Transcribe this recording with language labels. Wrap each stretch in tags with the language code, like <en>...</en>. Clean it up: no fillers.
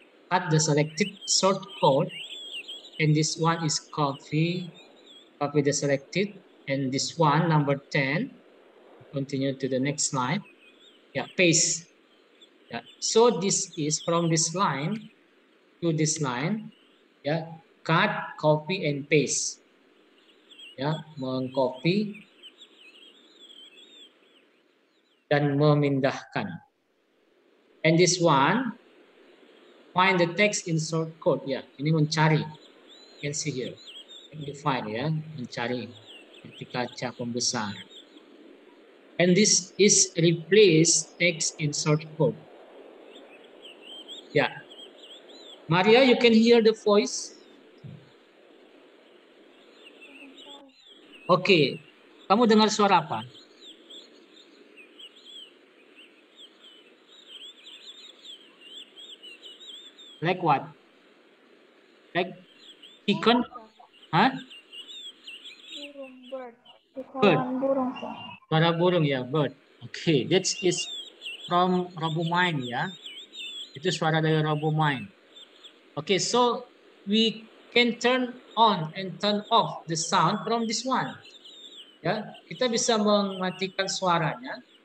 <en>Cut the selected short code, and this one is copy, copy the selected, and this one number 10, continue to the next slide, yeah, paste. Yeah. So this is from this line to this line, yeah. Cut, copy, and paste.</en> <id>Yeah, mengcopy dan memindahkan.</id> <en>And this one, find the text in short code. Yeah,</en> <id>ini mencari.</id> <en>You can see here, define. Yeah,</en> <id>mencari di kaca pembesar.</id> <en>And this is replace text in short code. Yeah, Maria, you can hear the voice.</en> <id>Okay, kamu dengar suara apa?</id> <en>Like what? Like chicken? Huh?</en> <id>Burung,</id> <en>bird. Bird.</en> <id>Burung. Suara burung ya,</id> <en>bird. Okay, that is from Robomind ya.</en> <id>Itu suara dari RoboMind.</id> <en>Okay, so we can turn on and turn off the sound from this one.</en> <id>Ya, kita bisa mematikan suaranya.</id>